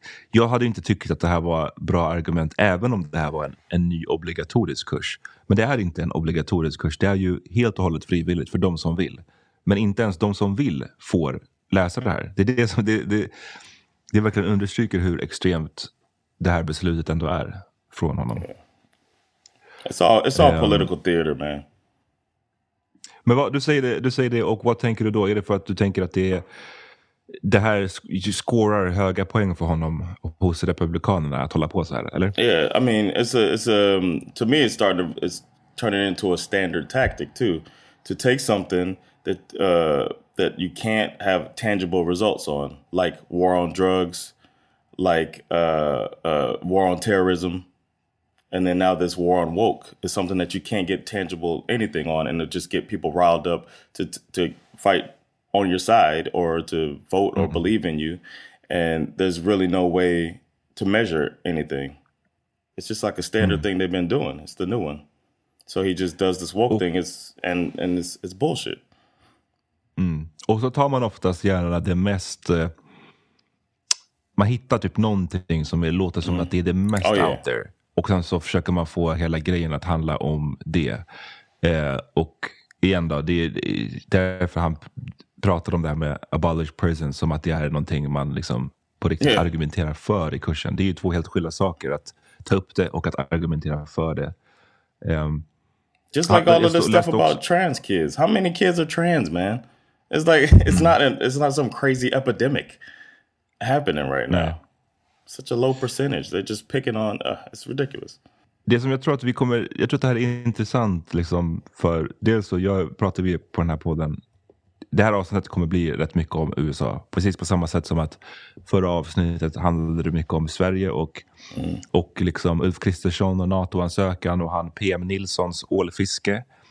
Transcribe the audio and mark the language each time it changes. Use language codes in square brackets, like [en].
[sv] Jag hade inte tyckt att det här var bra argument även om det här var en ny obligatorisk kurs. Men det är inte en obligatorisk kurs. Det är ju helt och hållet frivilligt för de som vill. Men inte ens de som vill får läsa det här. Det är det som det verkligen understryker hur extremt det här beslutet ändå är från honom. [en] It's all political theater, man. [sv] Men vad, du säger det och vad tänker du då? Är det för att du tänker att det är... Det här scorar höga poäng för honom hos republikanerna att hålla på så här, eller? [en] Yeah, I mean, to me it's turning into a standard tactic too, to take something that that you can't have tangible results on, like war on drugs, like war on terrorism, and then now this war on woke is something that you can't get tangible anything on, and it just get people riled up to fight on your side or to vote or believe in you, and there's really no way to measure anything. It's just like a standard thing they've been doing. It's the new one. So he just does this woke thing. It's bullshit. [sv] Och så tar man oftast gärna det mest, man hittar typ någonting som låter som att det är det mest [en] out there, [sv] och sen så försöker man få hela grejen att handla om det. Och igen då, det är därför han pratar om det här med [en] abolish prison [sv] som att det här är någonting man liksom på riktigt argumenterar för i kursen. Det är ju två helt skilda saker, att ta upp det och att argumentera för det. [en] Just like all of this stuff about trans kids. How many kids are trans, man? It's like, it's not some crazy epidemic happening right now. Such a low percentage. They're just picking on, it's ridiculous. [sv] Det som jag tror att det här är intressant liksom, för dels så pratar vi på den här podden. Det här avsnittet kommer bli rätt mycket om USA. Precis på samma sätt som att förra avsnittet handlade det mycket om Sverige och liksom Ulf Kristersson och NATO-ansökan och han PM Nilssons ålfiske.